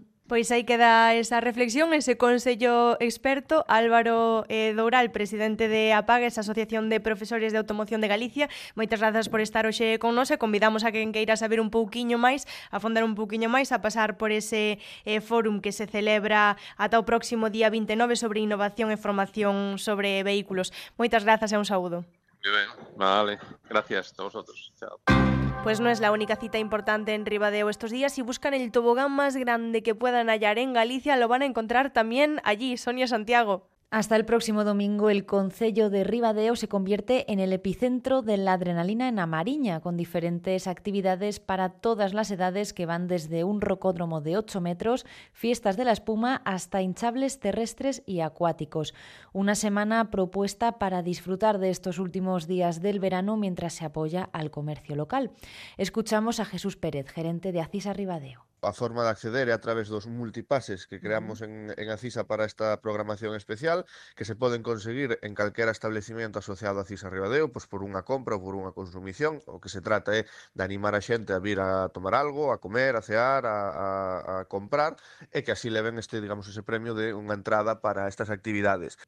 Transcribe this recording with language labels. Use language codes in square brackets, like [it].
[gl] Pois aí queda esa reflexión, ese consello experto, Álvaro Doural, presidente de APAGA, esa Asociación de Profesores de Automoción de Galicia. Moitas grazas por estar hoxe con nós e convidamos a quen queira saber un pouquiño máis, a afondar un pouquiño máis, a pasar por ese fórum que se celebra ata o próximo día 29 sobre innovación e formación sobre vehículos. Moitas grazas e un saúdo. [es] Vale, gracias a vosotros. Chao. Pues no es la única cita importante en Ribadeo estos días. Si buscan el tobogán más grande que puedan hallar en Galicia, lo van a encontrar también allí, Sonia Santiago. Hasta el próximo domingo, el concello de Ribadeo se convierte en el epicentro de la adrenalina en A Mariña, con diferentes actividades para todas las edades que van desde un rocódromo de 8 metros, fiestas de la espuma, hasta hinchables terrestres y acuáticos. Una semana propuesta para disfrutar de estos últimos días del verano mientras se apoya al comercio local. Escuchamos a Jesús Pérez, gerente de Acisa Ribadeo. [gl] A forma de acceder é a través dos multipases que creamos en Acisa para esta programación especial, que se poden conseguir en calquera establecimento asociado a Acisa Ribadeo, pois por unha compra ou por unha consumición. O que se trata é de animar a xente a vir a tomar algo, a comer, a cear, a comprar, e que así leven este, digamos, ese premio de unha entrada para estas actividades.